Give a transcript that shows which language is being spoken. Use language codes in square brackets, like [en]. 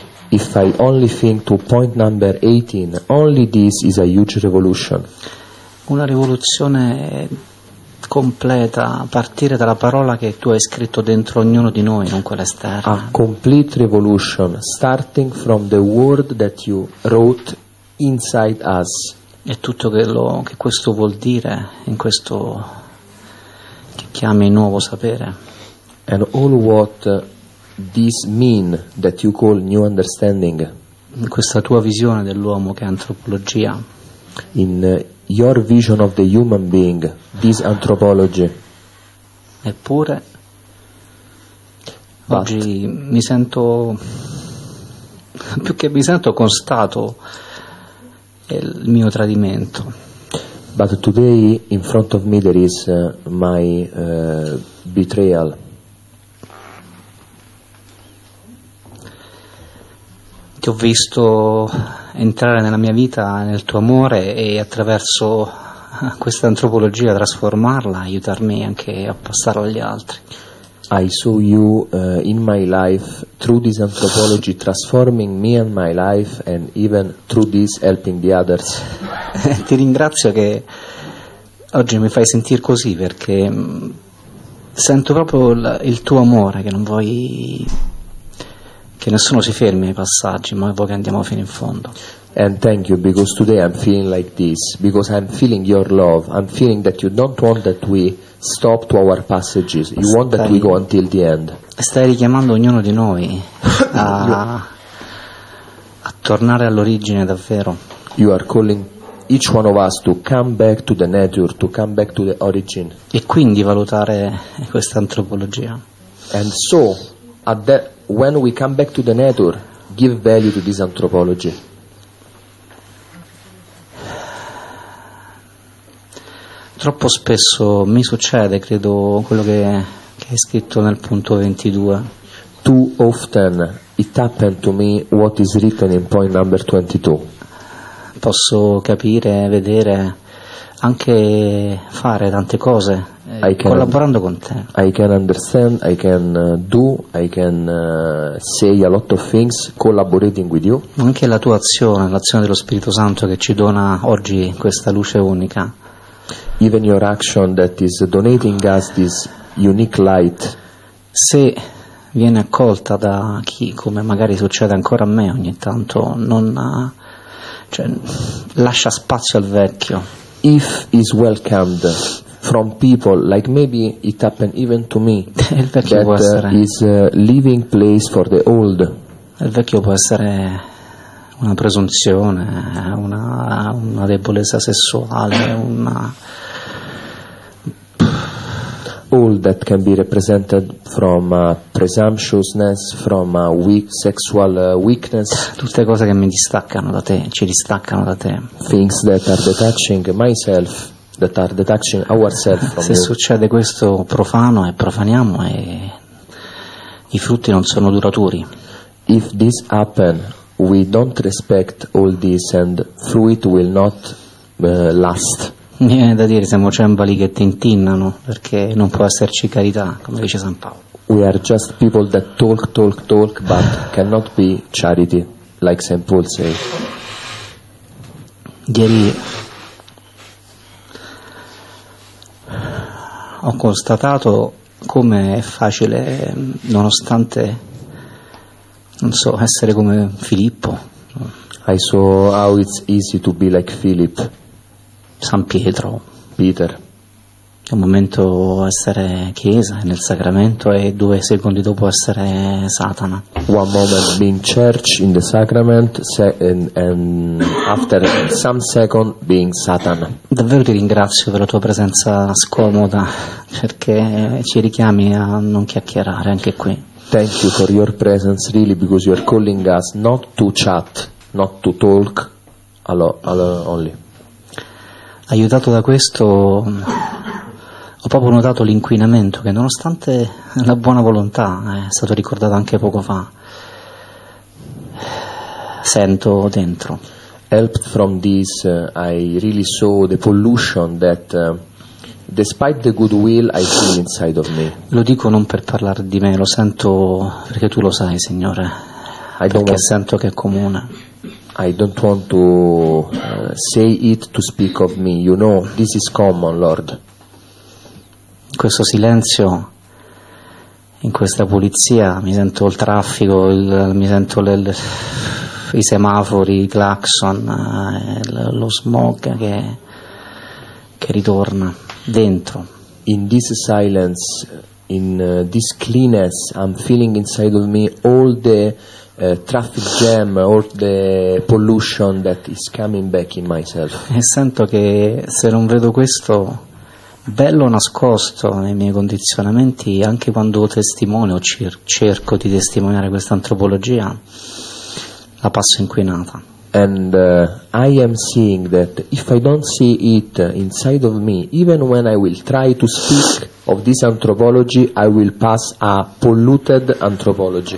[en] If I only think to point number 18, only this is a huge revolution. [it] Una rivoluzione completa, a partire dalla parola che tu hai scritto dentro ognuno di noi, non quella esterna. [en] A complete revolution, starting from the word that you wrote inside us. [it] E tutto quello che questo vuol dire in questo che chiami nuovo sapere. [en] And all what this mean that you call new understanding. [it] In questa tua visione dell'uomo che è antropologia. [en] In your vision of the human being, this anthropology. [it] Eppure oggi mi sento, più che mi sento, constato il mio tradimento. [en] But today in front of me there is my betrayal. [it] Ti ho visto entrare nella mia vita, nel tuo amore, e attraverso questa antropologia trasformarla, aiutarmi anche a passarlo agli altri. [en] I saw you in my life through this anthropology transforming me and my life and even through this helping the others. [it] Ti ringrazio che oggi mi fai sentire così perché sento proprio il tuo amore, che non vuoi che nessuno si fermi ai passaggi, ma vuoi che andiamo fino in fondo. [en] And thank you, because today I'm feeling like this, because I'm feeling your love, I'm feeling that you don't want that we stop to our passages, you want that we go until the end. [it] Stai richiamando ognuno di noi a tornare all'origine davvero. [en] You are calling each one of us to come back to the nature, to come back to the origin. [it] E quindi valutare questa antropologia. [en] And so, at that, when we come back to the nature, give value to this anthropology. [it] Troppo spesso mi succede, credo, quello che è scritto nel punto 22. [en] Too often it happened to me what is written in point number 22. [it] Posso capire, vedere, anche fare tante cose collaborando con te. [en] I can understand, I can do, I can say a lot of things collaborating with you. [it] Anche la tua azione, l'azione dello Spirito Santo che ci dona oggi questa luce unica. [en] Even your action that is donating us this unique light. [it] Se viene accolta da chi, come magari succede ancora a me ogni tanto, non ha, cioè, lascia spazio al vecchio. [en] If is welcomed from people, like maybe it happened even to me, [it] il vecchio [en] that [it] può essere, [en] is a living place for the old. [it] Il vecchio può essere una presunzione, una debolezza sessuale, una [en] all that can be represented from presumptuousness, from weak sexual weakness. [it] Tutte cose che mi distaccano da te, ci distaccano da te. [en] Things that are detaching myself, that are detaching ourselves from [it] se [en] you. [it] Succede questo, profano e profaniamo e i frutti non sono duraturi. [en] If this happen, we don't respect all this and fruit will not last. [it] Mi viene da dire siamo cembali che tintinnano, perché non può esserci carità, come dice San Paolo. [en] We are just people that talk, but cannot be charity, like St. Paul say. [it] Ieri ho constatato come è facile, nonostante, non so, essere come Filippo. [en] I saw how it's easy to be like Philip. [it] San Pietro, [en] Peter. [it] È un momento essere chiesa nel sacramento e due secondi dopo essere Satana. [en] One moment being church in the sacrament and after some second being Satan. [it] Davvero ti ringrazio per la tua presenza scomoda, perché ci richiami a non chiacchierare anche qui. [en] Thank you for your presence really, because you are calling us not to chat, not to talk, only. [it] Aiutato da questo ho proprio notato l'inquinamento che, nonostante la buona volontà, è stato ricordato anche poco fa, sento dentro. [en] Helped from this I really saw the pollution that despite the goodwill I feel inside of me. [it] Lo dico non per parlare di me, lo sento perché tu lo sai, Signore, sento che è comune. [en] I don't want to say it to speak of me, you know, this is common, Lord. [it] Questo silenzio, in questa pulizia, mi sento il traffico, mi sento i semafori, i clacson, lo smog che ritorna dentro. [en] In this silence, in this cleanness, I'm feeling inside of me all the traffic jam or the pollution that is coming back in myself. [it] E sento che se non vedo questo bello nascosto nei miei condizionamenti, anche quando testimonio, cerco di testimoniare questa antropologia, la passo inquinata. [en] And I am seeing that if I don't see it inside of me, even when I will try to speak of this anthropology, I will pass a polluted anthropology.